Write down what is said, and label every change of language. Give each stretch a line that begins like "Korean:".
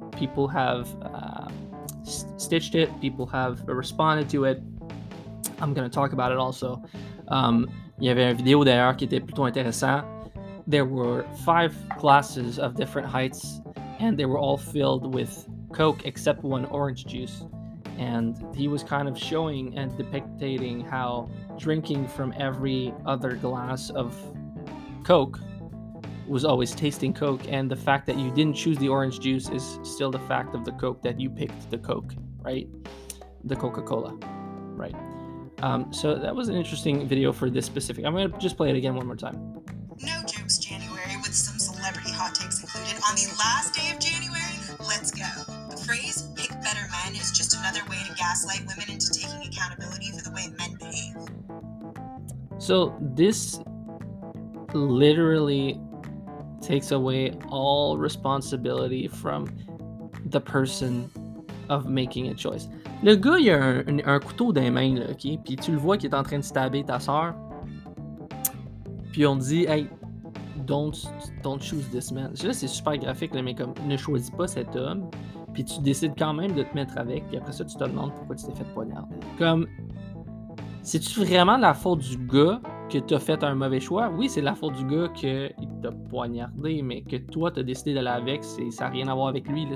English: People have stitched it, people have responded to it. I'm gonna talk about it also.
French: Il y avait une vidéo d'ailleurs qui était plutôt intéressante.
English: There were 5 glasses of different heights and they were all filled with Coke except one orange juice. And he was kind of showing and depicting how drinking from every other glass of Coke was always tasting Coke, and the fact that you didn't choose the orange juice is still the fact of the Coke, that you picked the Coke, right? The Coca-Cola, right? So that was an interesting video for this specific. I'm gonna just play it again one more time. No jokes, January, with some celebrity hot takes included. On the last day of January, let's go. The phrase, pick better men, is just another way to gaslight women into taking accountability for the way men behave. So this literally takes away all responsibility from the person of making a choice.
French: Le gars, il a un couteau dans les mains, là, OK? Puis tu le vois qui est en train de stabber ta sœur. Puis on dit,
English: hey, don't choose this man.
French: Là, c'est super graphique, là, mais comme, ne choisis pas cet homme. Puis tu décides quand même de te mettre avec. Puis après ça, tu te demandes pourquoi tu t'es fait poignarder. Comme, c'est-tu vraiment la faute du gars que t'as fait un mauvais choix? Oui, c'est la faute du gars qu'il t'a poignardé, mais que toi, t'as décidé d'aller avec, ça n'a rien à voir avec lui. Là.